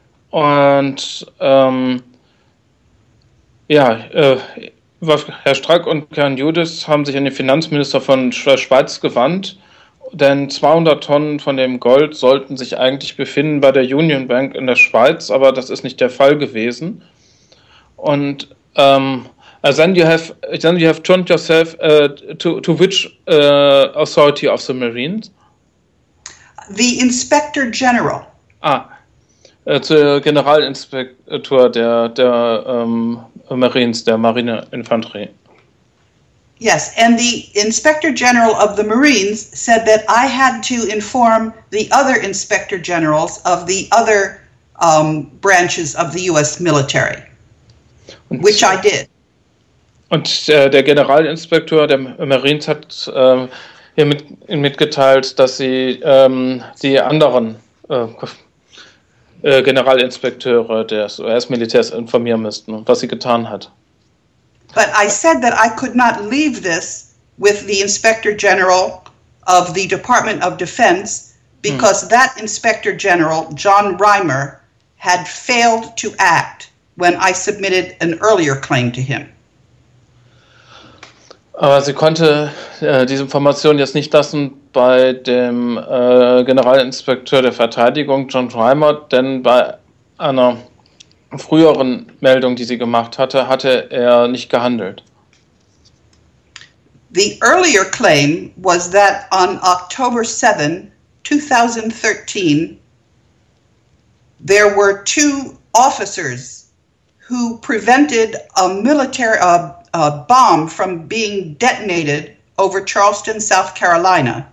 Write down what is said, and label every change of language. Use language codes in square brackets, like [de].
[de] Und Herr Strack und Karen Judis haben sich an den Finanzminister von Schweiz gewandt, denn 200 Tonnen von dem Gold sollten sich eigentlich befinden bei der Union Bank in der Schweiz, aber das ist nicht der Fall gewesen. [en] Und then you have turned yourself to which authority of the Marines? The Inspector General. [de] Zu Generalinspektor der Marines, der Marineinfanterie. [en] Yes, and the Inspector General of the Marines said that I had to inform the other Inspector Generals of the other branches of the U.S. military. Which I did. [de] Und der Generalinspektor der Marines hat hiermit mitgeteilt, dass sie die anderen Generalinspekteure des US-Militärs informieren müssten, was sie getan hat. [en] But I said that I could not leave this with the Inspector General of the Department of Defense, because that Inspector General, John Reimer, had failed to act when I submitted an earlier claim to him. [de] Aber sie konnte diese Information jetzt nicht lassen bei dem Generalinspekteur der Verteidigung, John Reimer, denn bei einer früheren Meldung, die sie gemacht hatte, hatte er nicht gehandelt. [en] The earlier claim was that on October 7, 2013, there were two officers who prevented a military bomb from being detonated over Charleston, South Carolina.